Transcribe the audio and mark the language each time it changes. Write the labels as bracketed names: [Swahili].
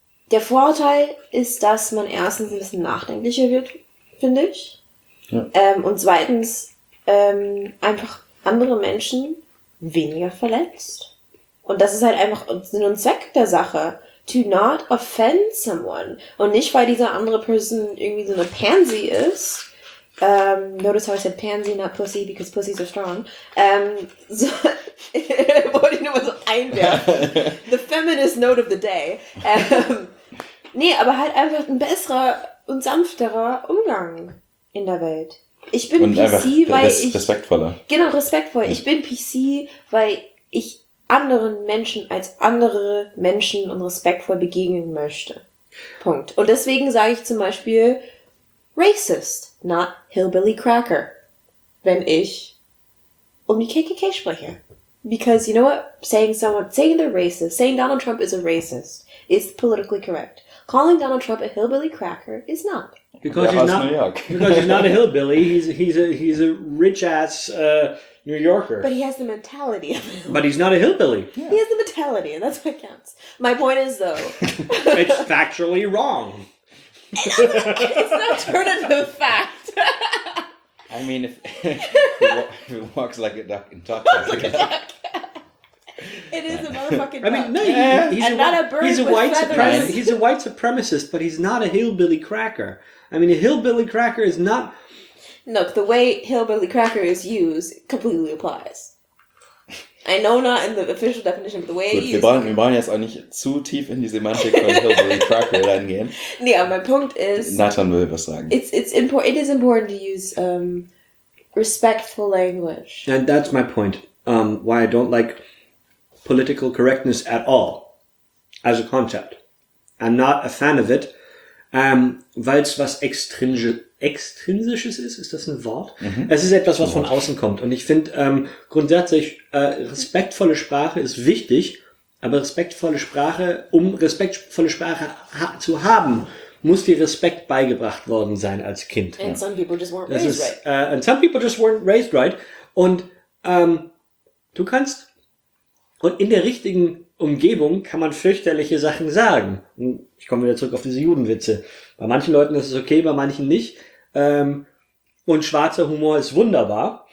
[German] Der Vorteil ist, dass man erstens ein bisschen nachdenklicher wird, finde ich. Ja. Und zweitens einfach andere Menschen weniger verletzt. Und das ist halt einfach Sinn und Zweck der Sache. [English] To not offend someone. [German] Und nicht, weil diese andere Person irgendwie so eine Pansy ist. [English] Notice how I said Pansy, not Pussy, because Pussies are strong. [German] So wollte ich nur mal so einwerfen. [English] The feminist note of the day. [German] Nee, aber halt einfach ein besserer und sanfterer Umgang in der Welt. Ich bin und PC, weil ich... respektvoller. Genau, respektvoll. Ich bin PC, weil ich... anderen Menschen als andere Menschen und respektvoll begegnen möchte. Punkt. Und deswegen sage ich zum Beispiel [English] Racist, not Hillbilly Cracker, [German] wenn ich um die KKK spreche. [English] Because you know what? Saying they're racist, saying Donald Trump is a racist is politically correct. Calling Donald Trump a Hillbilly Cracker is not. Because he's not a hillbilly, he's a rich ass New Yorker. But he has the mentality of him. But he's not a hillbilly. Yeah. He has the mentality, and that's what counts. My point is, though... it's factually wrong. It's an alternative fact. I mean, mean, if it walks like a duck and talks like a duck. It is a motherfucking duck. I mean, no, he's and a, not a bird. He's a white supremacist. He's a white supremacist, but he's not a hillbilly cracker. I mean, a hillbilly cracker is not. Look, the way hillbilly cracker is used completely applies. I know not in the official definition, but the way it's used. [German] Wir wollen jetzt auch nicht zu tief in die Semantik von hillbilly cracker reingehen. Nee, aber mein Punkt ist. Nathan will was sagen. [English] It's important. It is important to use respectful language. And that's my point. Why I don't like political correctness at all as a concept. I'm not a fan of it, [German] weil es was Extrinsisches ist. Ist das ein Wort? Mhm. Es ist etwas, was von außen kommt. Und ich finde grundsätzlich, respektvolle Sprache ist wichtig, aber respektvolle Sprache, um respektvolle Sprache zu haben, muss dir Respekt beigebracht worden sein als Kind. [English] And some people just weren't raised right. And some people just weren't raised right. [German] Und du kannst... Und in der richtigen Umgebung kann man fürchterliche Sachen sagen. Ich komme wieder zurück auf diese Judenwitze. Bei manchen Leuten ist es okay, bei manchen nicht. Und schwarzer Humor ist wunderbar.